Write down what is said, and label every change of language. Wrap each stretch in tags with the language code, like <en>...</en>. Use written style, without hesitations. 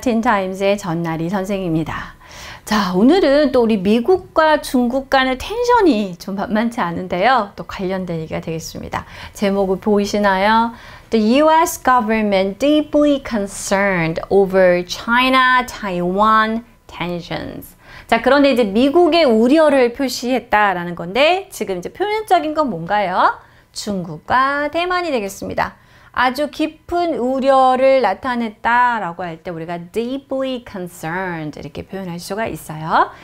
<ko>틴타임즈의 전나리 선생님입니다. 자, 오늘은 또 우리 미국과 중국 간의 텐션이 좀 만만치 않은데요. 또 관련된 얘기가 되겠습니다. 제목을 보이시나요?</ko> <en>The US government deeply concerned over China-Taiwan tensions.</en> <ko>자, 그런데 이제 미국의 우려를 표시했다라는 건데 지금 이제 표면적인 건 뭔가요? 중국과 대만이 되겠습니다. 아주 깊은 우려를 나타냈다라고 할 때 우리가</ko> <en>deeply concerned</en> <ko>이렇게 표현할 수가 있어요.</ko>